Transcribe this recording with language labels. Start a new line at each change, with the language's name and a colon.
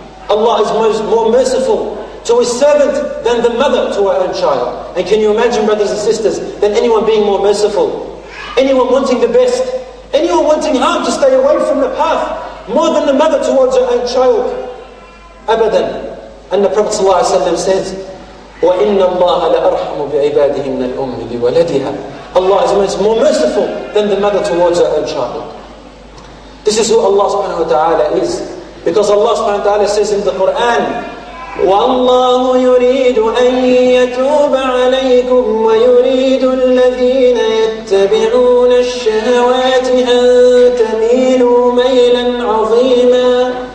English: Allah is more merciful to His servant than the mother to her own child. And can you imagine, brothers and sisters, than anyone being more merciful? Anyone wanting the best, Anyone wanting harm to stay away from the path more than the mother towards her own child.
Arabic: Abadan.
English: And the Prophet ﷺ says,
Arabic: وَإِنَّ اللَّهَ لَأَرْحَمُ بِعِبَادِهِ مِنَ الْأُمِّ لِوَلَدِهَا.
English: Allah is more merciful than the mother towards her own child. This is who Allah subhanahu wa ta'ala is. Because Allah subhanahu wa ta'ala says in the Quran,
Arabic: وَاللَّهُ يُرِيدُ أَن يَتُوبَ عَلَيْكُمْ وَيُرِيدُ الَّذِينَ يَتَّبِعُونَ الشَّهَوَاتِ أَن تَمِيلُوا مَيْلًا عَظِيمًا.